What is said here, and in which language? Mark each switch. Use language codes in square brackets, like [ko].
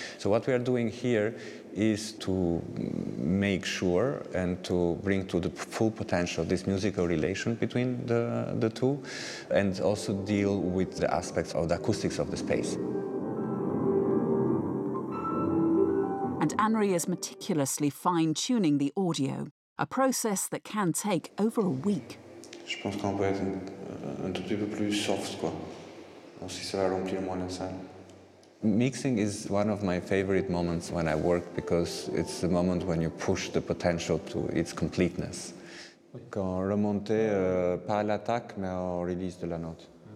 [en] So what we are doing here is to make sure and to bring to the full potential this musical relation between the two, and also deal with the aspects of the acoustics of the space. And Anri is meticulously fine-tuning the audio, a process that can take over a week. [fr] Je pense qu'on peut être un tout petit peu plus soft, quoi. Aussi, ça va remplir moins la salle. [en] Mixing is one of my favorite moments when I work, because it's the moment when you push the potential to its completeness. [fr] Quand remonter, pas à l'attaque, mais au release de la note.